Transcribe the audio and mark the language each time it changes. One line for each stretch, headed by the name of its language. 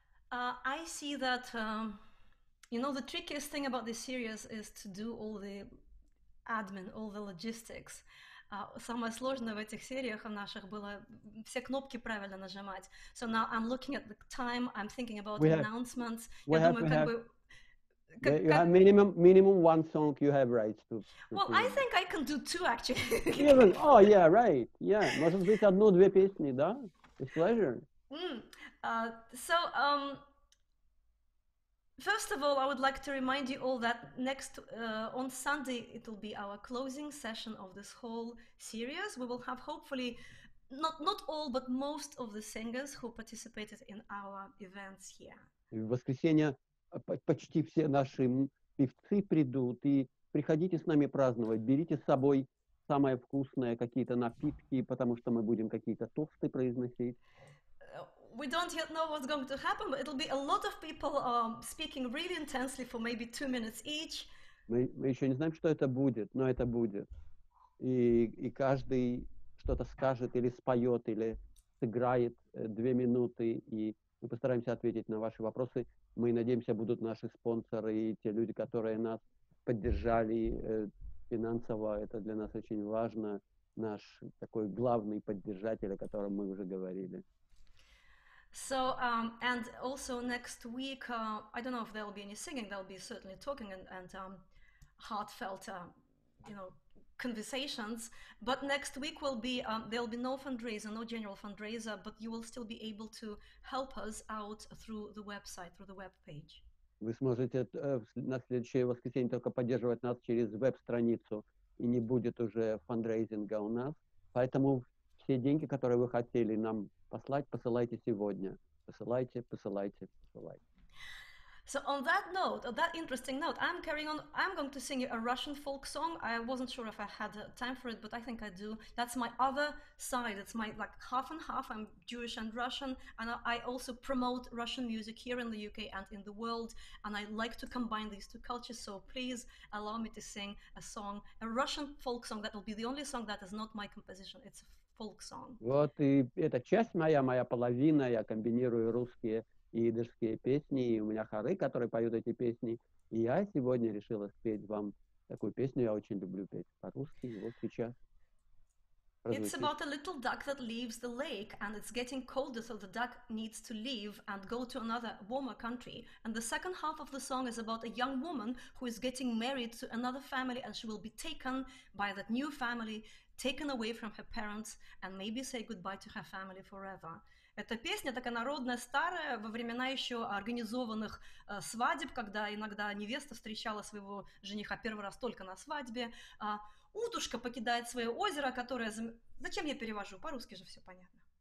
English: I see that, you know, the trickiest thing about this series is to do all the admin, all the logistics.
Russian: Самое сложное в этих сериях в наших было все кнопки правильно нажимать.
English: So now I'm looking at the time, I'm thinking about we the announcements. Have,
Russian: я думаю, как
English: have...
Russian: бы...
English: You have minimum one song you have rights to. Well, sing. I think I can do two, actually. Even, oh, yeah, right.
Russian: Yeah, может быть, одну-две песни, да?
English: It's pleasure. So, first of all, I would like to remind you all that next, on Sunday, it will be our closing session of this whole series. We will have, hopefully, not all, but most of the singers who participated in our events here.
Russian: В воскресенье. Почти все наши певцы придут, и приходите с нами праздновать, берите с собой самое вкусное, какие-то напитки, потому что мы будем какие-то тосты произносить.
English: We don't yet know what's going to happen, but it'll be a lot of people speaking really intensely for maybe 2 minutes each.
Russian: Мы еще не знаем, что это будет, но это будет. И каждый что-то скажет или споет, или сыграет 2 минуты, и мы постараемся ответить на ваши вопросы. Мы надеемся, будут наши спонсоры и те люди, которые нас поддержали финансово. Это для нас очень важно. Наш такой главный поддержатель, о котором мы уже говорили.
English: So, and also next week, I don't know if there'll be any singing, there'll be certainly talking and heartfelt, you know, conversations. But next week will be, there'll be no fundraiser, no general fundraiser, but you will still be able to help us out through the website, through the webpage.
Russian: Вы сможете на следующее воскресенье только поддерживать нас через веб-страницу, и не будет уже фандрейзинга у нас. Поэтому все деньги, которые вы хотели нам послать, посылайте сегодня. Посылайте, посылайте, посылайте.
English: So on that note, on that interesting note, I'm carrying on. I'm going to sing you a Russian folk song. I wasn't sure if I had time for it, but I think I do. That's my other side. It's my like half and half. I'm Jewish and Russian, and I also promote Russian music here in the UK and in the world. And I like to combine these two cultures. So please allow me to sing a song, a Russian folk song. That will be the only song that is not my composition. It's a folk song.
Russian: Вот и эта часть моя половина. Я комбинирую русские. Идышские песни, и у меня хоры, которые поют эти песни. И я сегодня решила спеть вам Такую песню я очень люблю петь по-русски. Вот сейчас
English: It's
Russian: прозвучит.
English: about a little duck that leaves the lake, and it's getting colder, so the duck needs to leave and go to another warmer country. And the second half of the song is about a young woman who is getting married to another family, and she will be taken by that new family, taken away from her parents, and maybe say goodbye to her family forever.
Russian: Эта песня такая народная, старая, во времена еще организованных свадеб, когда иногда невеста встречала своего жениха первый раз только на свадьбе. Утушка покидает свое озеро, которое... Зачем я перевожу? По-русски же все понятно.